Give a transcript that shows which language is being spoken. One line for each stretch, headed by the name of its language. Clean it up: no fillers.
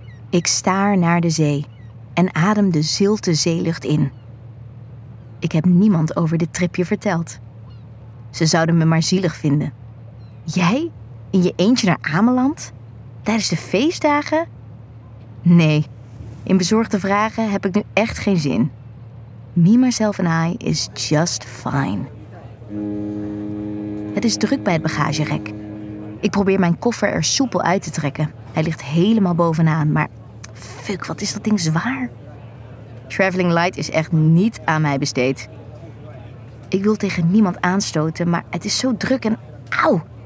Dutch: Ik staar naar de zee en adem de zilte zeelucht in. Ik heb niemand over dit tripje verteld. Ze zouden me maar zielig vinden. Jij? In je eentje naar Ameland? Tijdens de feestdagen? Nee, in bezorgde vragen heb ik nu echt geen zin.
English: Me, myself and I is just fine.
Dutch: Het is druk bij het bagagerek. Ik probeer mijn koffer er soepel uit te trekken. Hij ligt helemaal bovenaan, maar fuck, wat is dat ding zwaar?
English: Traveling light
Dutch: is echt niet aan mij besteed. Ik wil tegen niemand aanstoten, maar het is zo druk en auw.